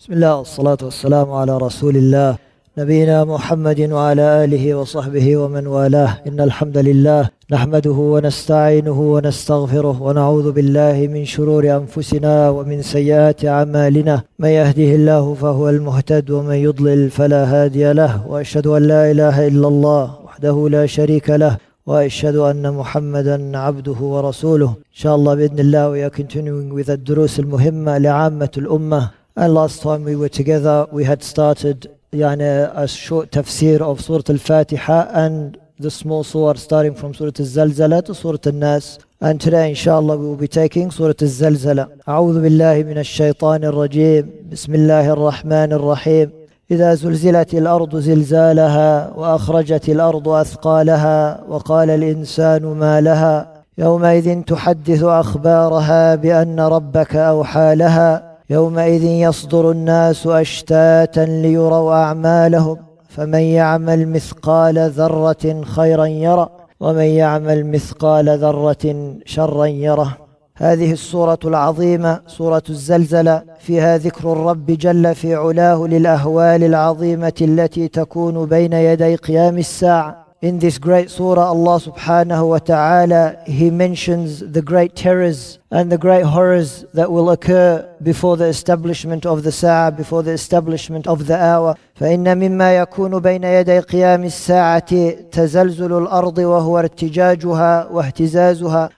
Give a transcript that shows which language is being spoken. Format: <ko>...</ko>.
<ar>بسم الله والصلاة والسلام على رسول الله نبينا محمد وعلى آله وصحبه ومن والاه إن الحمد لله نحمده ونستعينه ونستغفره ونعوذ بالله من شرور أنفسنا ومن سيئات أعمالنا من يهده الله فهو المهتد ومن يضلل فلا هادي له وأشهد أن لا إله إلا الله وحده لا شريك له وأشهد أن محمدا عبده ورسوله إن شاء الله بإذن الله</ar> <en>we are continuing with</en> <ar>الدروس المهمة لعامة الأمة.</ar> <en>And last time we were together, we had started a short tafsir of Surat al-Faatiha and the small surah starting from Surat al-Zalzalah to Surat al-Nas. And today, inshallah, we will be taking Surat al-Zalzalah.</en> <ar>A'udhu billahi min ash-shaytan ar-rajim. Bismillahi ar-Rahman ar-Rahim. Idha zulzilati al-ardu zilzalaha wa akhrajati al-ardu athqalaha wa qala al-insanu ma laha. Yawmaidhin tuhadithu akhbaraha bi anna rabbaka awhalaha. يومئذ يصدر الناس أشتاتا ليروا أعمالهم فمن يعمل مثقال ذرة خيرا يرى ومن يعمل مثقال ذرة شرا يرى. هذه السورة العظيمة سورة الزلزلة فيها ذكر الرب جل في علاه للأهوال العظيمة التي تكون بين يدي قيام الساعة.</ar> <en>In this great surah, Allah subhanahu wa ta'ala, He mentions the great terrors and the great horrors that will occur before the establishment of the sa'ah, before the establishment of the hour.</en> <ar>فَإِنَّ مِمَّا يَكُونُ بَيْنَ يَدَيْ قِيَامِ السَّاعَةِ تَزَلْزُلُ الْأَرْضِ وَهُوَ ارْتِجَاجُهَا وَاهْتِزَازُهَا.</ar>